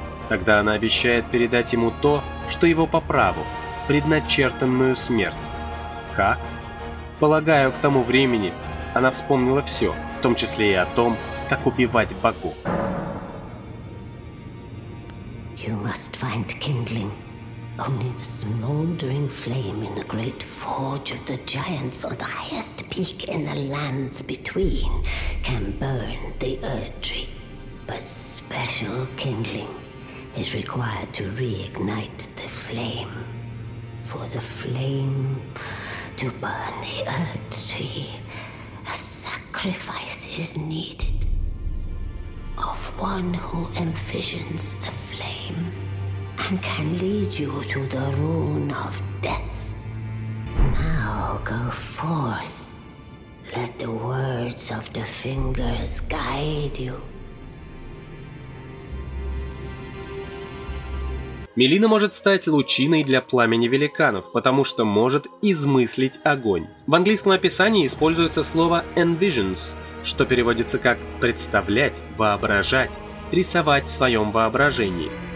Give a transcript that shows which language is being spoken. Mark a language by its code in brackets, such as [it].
[ru] Тогда она обещает передать ему то, что его по праву, предначертанную смерть. Как? Полагаю, к тому времени она вспомнила все, в том числе и о том, как убивать богов. [en] You must find kindling. Only the smoldering flame in the great forge of the giants on the highest peak in the lands between can burn the Erdtree. But special kindling is required to reignite the flame. For the flame to burn the Erdtree, a sacrifice is needed of one who envisions the flame. And can lead you to the rune of death. Now go forth. Let the words of the fingers guide you. [ru] Мелина может стать лучиной для пламени великанов, потому что может измыслить огонь. В английском описании используется слово envisions, что переводится как представлять, воображать, рисовать в своем воображении.